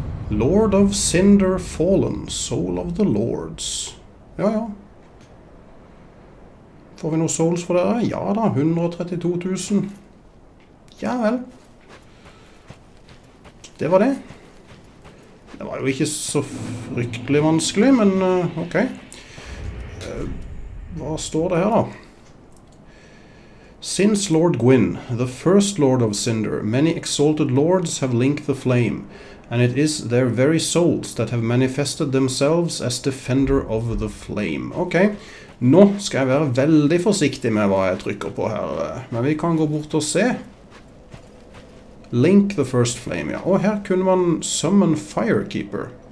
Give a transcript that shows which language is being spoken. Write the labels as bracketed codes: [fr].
[en] Lord of Cinder Fallen, Soul of the Lords. [no] Ja, ja. Får vi noen souls for dere? Ja da, 132.000. Ja vel. Det var det. Det var jo ikke så fryktelig vanskelig, men ok. Hva står det her da? [en] Since Lord Gwyn, the first Lord of Cinder, many exalted lords have linked the flame, and it is their very souls that have manifested themselves as defender of the flame. [no] Ok, nå skal jeg være veldig forsiktig med hva jeg trykker på her, men vi kan gå bort og se. [en] Link the first flame, [no] ja. Og her kunne man summon Firekeeper.